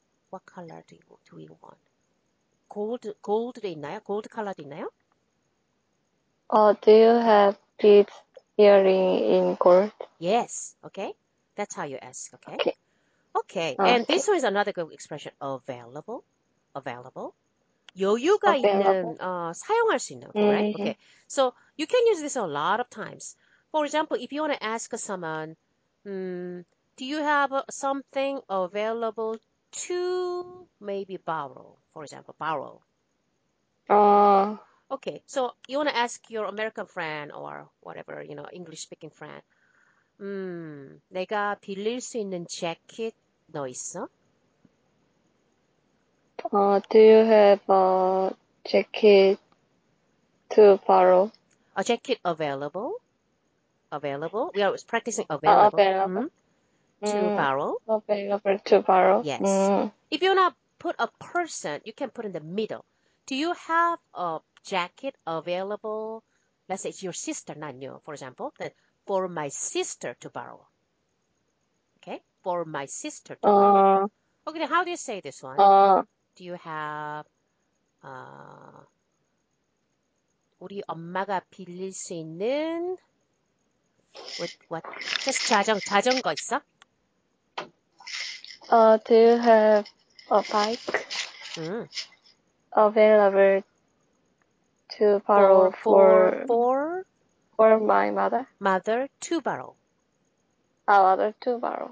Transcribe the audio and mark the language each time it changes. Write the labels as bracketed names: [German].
[English] What color do we want? Gold [Korean] 있나요? [English] Gold color 있나요? Do you have this earring in gold? Yes. Okay. That's how you ask. Okay. Okay. Okay. And this one is another good expression. Available. Available. [Korean] 여유가 있는 사용할 수 있는 거, [English] right? Mm-hmm. Okay. So you can use this a lot of times. For example, if you want to ask someone, do you have something available to maybe borrow? For example, borrow. Okay, so you want to ask your American friend or whatever, you know, English-speaking friend. [Korean] 내가 빌릴 수 있는 재킷 너 있어? [English] Do you have a jacket to borrow? A jacket available? Available? We are practicing available. Available. Mm-hmm. To borrow? Available to borrow. Yes. If you want to put a person, you can put in the middle. Do you have a jacket available? Let's say it's your sister, not you, for example. Then for my sister to borrow. Okay? For my sister to borrow. Okay, how do you say this one? Do you have [Korean] 우리 엄마가 빌릴 수 있는 [English] what? Just [Korean] 자전거 있어? [English] Do you have a bike available to borrow for my mother? Mother to borrow. Mother to borrow.